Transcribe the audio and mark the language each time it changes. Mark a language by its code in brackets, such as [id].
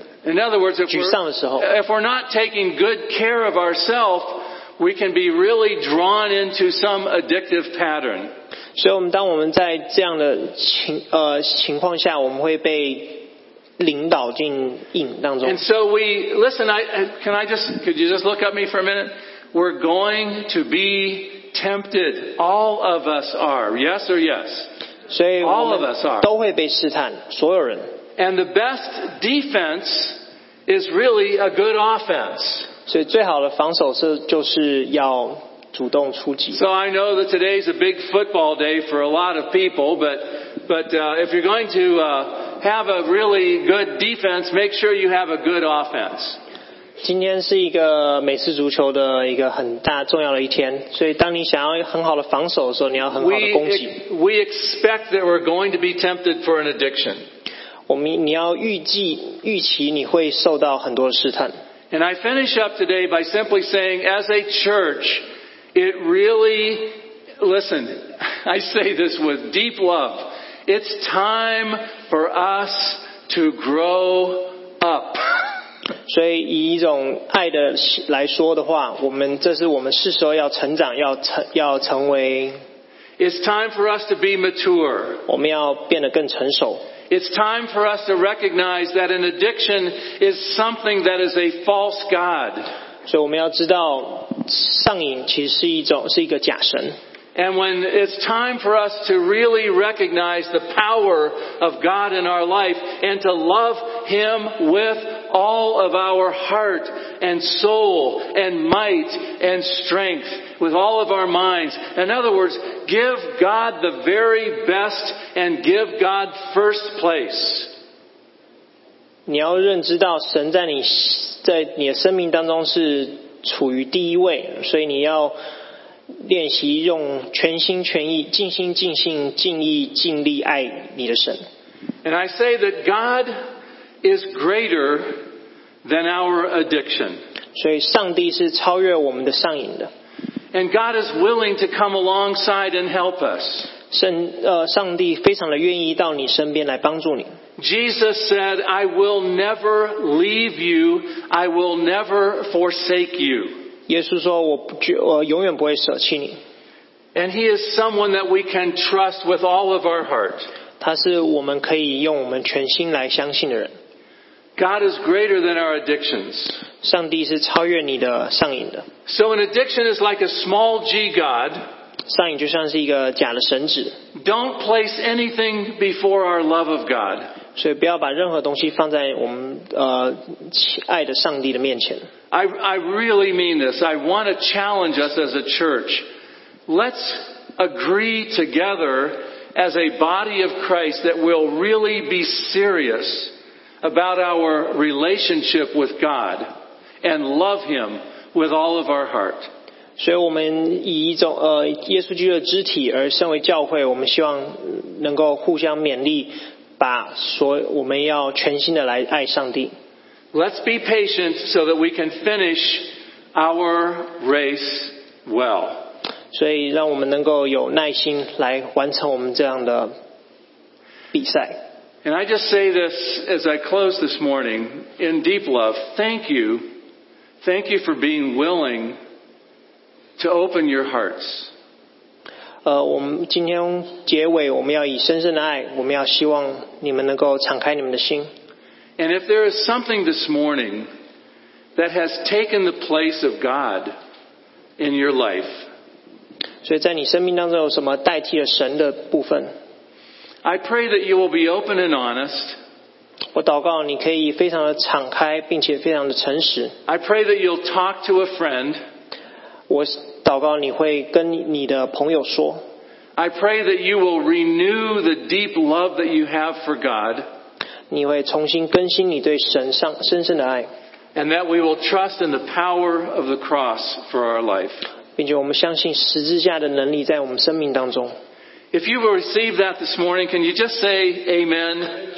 [en] In other words, if we're not taking good care of ourselves, we can be really drawn into some addictive pattern. [zh] 所以我们当我们在这样的情况下，我们会被领导进瘾当中。 [en] And so we listen. Could you just look at me for a minute? We're going to be tempted. All of us are. Yes or yes? All of us are. [zh] 都会被试探，所有人。 [en] And the best defense. Is really a good offense. [zh] 所以最好的防守是就是要主动出击。 [en] So I know that today is a big football day for a lot of people, but if you're going to have a really good defense, make sure you have a good offense. [zh] 今天是一个美式足球的一个很大重要的一天，所以当你想要很好的防守的时候，你要很好的攻击。 [en] We expect that we're going to be tempted for an addiction. [zh] 你要预期你会受到很多试探。 [en] And I finish up today by simply saying, as a church, it really, listen, I say this with deep love, it's time for us to grow up. [zh] 所以以一种爱的来说的话，我们这是我们是时候要成长，要成为。 [en] It's time for us to be mature. [zh] 我们要变得更成熟。 [en] It's time for us to recognize that an addiction is something that is a false god. [zh] 所以我们要知道上瘾其实是一个假神。 [en] And when it's time for us to really recognize the power of God in our life and to love Him with all of our heart and soul and might and strength, with all of our minds. In other words, give God the very best and give God first place. [zh] 你要认知到神在你的生命当中是处于第一位，所以你要练习用全心全意尽心尽性尽意尽力爱你的神。 [en] And I say that God is greater than our addiction. [zh] 所以上帝是超越我们的上瘾的。 [en] And God is willing to come alongside and help us. [zh] 上帝非常的愿意到你身边来帮助你。 [en] Jesus said, I will never leave you, I will never forsake you. [zh] 耶稣说我永远不会舍弃你。 [en] And he is someone that we can trust with all of our heart. [zh] 他是我们可以用我们全心来相信的人。 [en] God is greater than our addictions. [zh] 上帝是超越你的上瘾的。 [en] So an addiction is like a small g god. [zh] 上瘾就像是一个假的神子。 [en] Don't place anything before our love of God. [zh] 所以不要把任何东西放在我们爱的上帝的面前。 [en] I really mean this. I want to challenge us as a church. Let's agree together as a body of Christ that we'll really be serious about our relationship with God and love Him with all of our heart. [zh] 所以我们以一种耶稣基督的肢体而身为教会，我们希望能够互相勉励。 [en] Let's be patient so that we can finish our race well. [zh] 所以让我们能够有耐心来完成我们这样的比赛。 [en] And I just say this as I close this morning in deep love. Thank you for being willing to open your hearts. [zh] 我们今天结尾我们要以深深的爱，我们要希望你们能够敞开你们的心。 [en] And if there is something this morning that has taken the place of God in your life, [zh] 所以在你生命当中有什么代替了神的部分， [en] I pray that you will be open and honest. [zh] 我祷告你可以非常的敞开并且非常的诚实。 [en] I pray that you'll talk to a friend. [zh] 我祷告你会跟你的朋友说。 [en] I pray that you will renew the deep love that you have for God. [zh] 你会重新更新你对神上深深的爱。 [en] And that we will trust in the power of the cross for our life. [zh] 并且我们相信十字架的能力在我们生命当中。 [en] If you will receive that this morning, can you just say amen?